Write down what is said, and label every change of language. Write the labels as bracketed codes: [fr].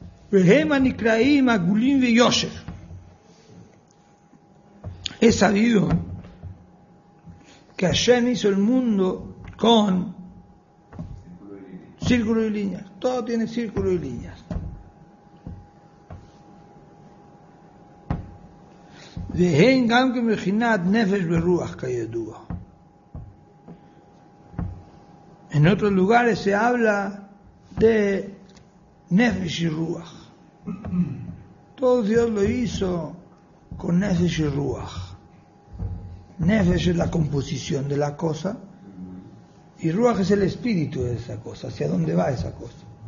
[he] Vehem anikraim agulim veyosher. [es] Es sabido que Hashem hizo el mundo con círculo y líneas. Todo tiene círculo y líneas. [he] והן גם כמכינת נפש ורוח כידוע. [es] En otros lugares se habla de nefesh y ruach. Todo Dios lo hizo con nefesh y ruach. Nefesh es la composición de la cosa y ruach es el espíritu de esa cosa, hacia dónde va esa cosa.